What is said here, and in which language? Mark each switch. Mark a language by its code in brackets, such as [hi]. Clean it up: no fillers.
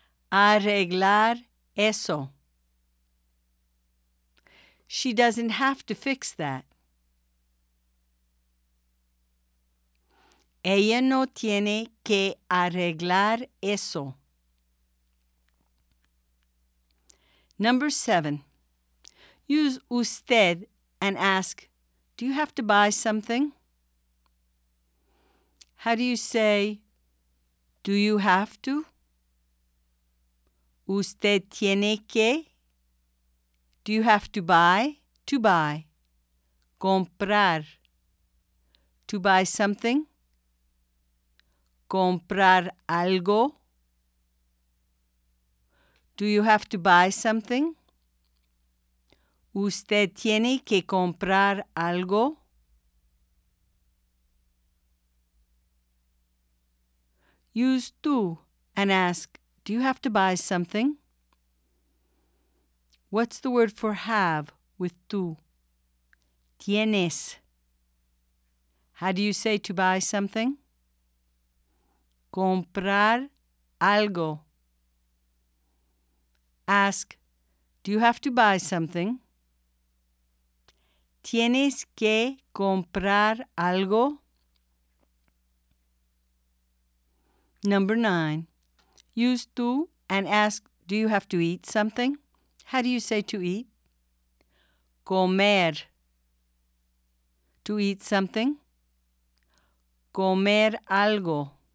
[es] Arreglar eso. [en] She doesn't have to fix that. [es] Ella no tiene que arreglar eso. [en] Number 7. Use usted and ask, Do you have to buy something? How do you say, do you have to? [es] Usted tiene que? [en] Do you have to buy? To buy. Comprar. To buy something? [es] Comprar algo? [en] Do you have to buy something? [es] Usted tiene que comprar algo? [en] Use tú and ask, do you have to buy something? What's the word for have with tú? Tienes. How do you say to buy something? [es] Comprar algo. [en] Ask, do you have to buy something? [es] ¿Tienes que comprar algo? [en] Number 9. Use tú and ask, do you have to eat something? How do you say to eat? Comer. To eat something? [es] Comer algo.